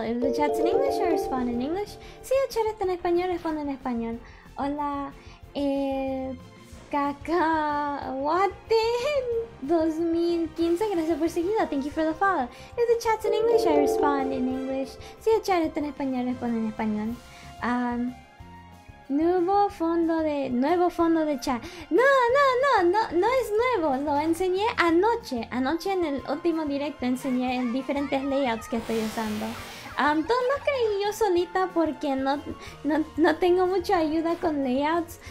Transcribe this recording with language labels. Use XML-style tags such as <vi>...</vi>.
<en>If the chat's in English, I respond in English.</en> <es>Si el chat está en español, respondo en español. Hola, Kakawate 2015, gracias por seguido.</es> <en>Thank you for the follow. If the chat's in English, I respond in English.</en> <es>Si el chat está en español, respondo en español. Nuevo fondo de chat. No es nuevo. Lo enseñé anoche. Anoche en el último directo enseñé diferentes layouts que estoy usando. Todo lo creí yo solita porque no tengo mucha ayuda con layouts.</es>